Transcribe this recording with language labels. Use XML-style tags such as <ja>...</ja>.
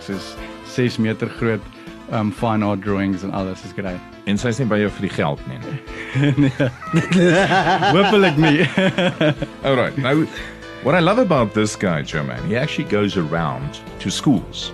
<af>Sy is 6 meter groot,</af> <en>fine art drawings and all this is great.</en> <af>En sy is nie by jou vir die geld nie. Nee. Hoopelik nie.</af> <en>All right. Now, what I love about this guy, Joe, man, he actually goes around to schools.</en>